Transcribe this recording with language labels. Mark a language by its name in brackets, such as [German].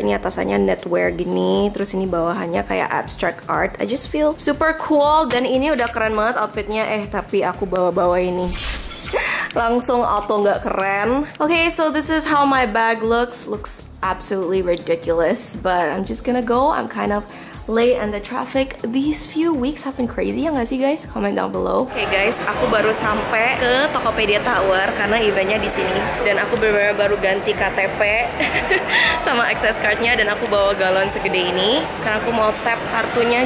[Indonesian] Ini atasannya knitwear gini, terus ini bawahannya kayak abstract art. [English] I just feel super cool [Indonesian] dan ini udah keren banget outfitnya. Tapi aku bawa-bawa ini langsung auto nggak keren. [English] Okay, so this is how my bag looks. Looks absolutely ridiculous, but I'm just gonna go. I'm kind of late and the traffic. These few weeks have been crazy, [Indonesian] ya nggak sih [English] guys? Comment down below. [Indonesian] Okay guys, aku baru sampai ke Tokopedia Tower karena eventnya di sini dan aku benar-benar baru ganti KTP sama access cardnya dan aku bawa galon segede ini. Sekarang aku mau tap kartunya.